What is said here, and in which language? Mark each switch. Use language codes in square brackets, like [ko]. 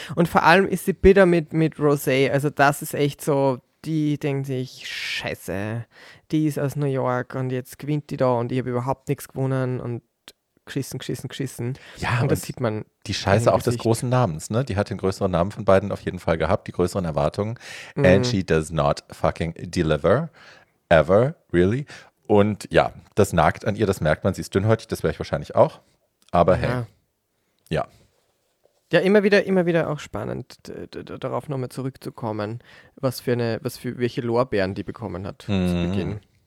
[de] Und vor allem ist sie bitter mit Rosé. Also das ist echt so, die denkt sich, scheiße, die ist aus New York und jetzt gewinnt die da und ich habe überhaupt nichts gewonnen und geschissen. Ja, und das sieht man. Die Scheiße auch des großen Namens, ne? Die hat den größeren Namen von beiden auf jeden Fall gehabt, die größeren Erwartungen. Mm. [en] And she does not fucking deliver. Ever, really. [de] Und ja, das nagt an ihr, das merkt man. Sie ist dünnhäutig, das wäre ich wahrscheinlich auch. Aber hey. Ja. Ja. Ja, immer wieder auch spannend, darauf nochmal zurückzukommen, welche Lorbeeren die bekommen hat zu Beginn.